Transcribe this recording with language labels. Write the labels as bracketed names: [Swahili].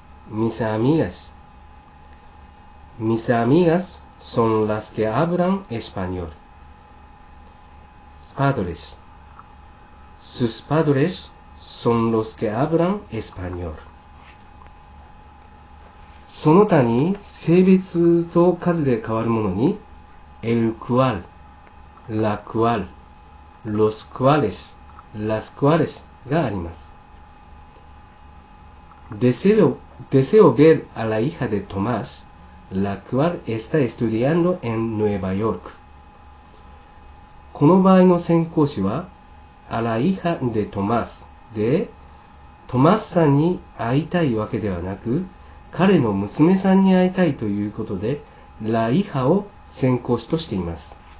[Spanish] Mis amigas. Mis amigas son las que hablan español. Padres. Sus padres son los que hablan español. [Japanese] その他に性別と数で変わるものに、el cual, la cual, los cuales, las cuales があります。 [Spanish] Deseo ver a la hija de Tomás. La cual está estudiando en Nueva York. [Japanese] この場合の先行詞は、 [Spanish] a la hija de Tomás [Japanese] で、トマスさんに会いたいわけではなく、彼の娘さんに会いたいということで、la hija を先行詞としています。